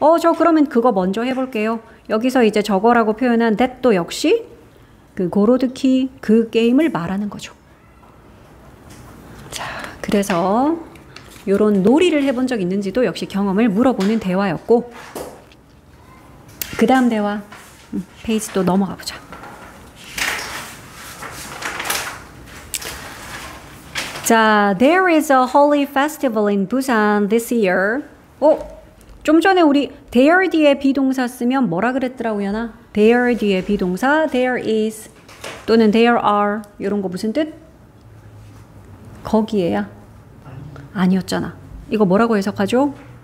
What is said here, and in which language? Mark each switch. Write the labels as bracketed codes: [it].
[ko] 저 그러면 그거 먼저 해볼게요. 여기서 이제 저거라고 표현한 that도 역시 그 고로드키 그 게임을 말하는 거죠. 자, 그래서 이런 놀이를 해본 적 있는지도 역시 경험을 물어보는 대화였고 그 다음 대화 페이지 또 넘어가 보자. [en] There is a holy festival in Busan this year. [ko] 좀 전에 우리 there 뒤에 비동사 쓰면 뭐라 그랬더라고요, 연아? there 뒤에 비동사 [en] there is [ko] 또는 [en] there are [ko] 이런 거 무슨 뜻? 거기에야? 아니었잖아. 이거 뭐라고 해석하죠?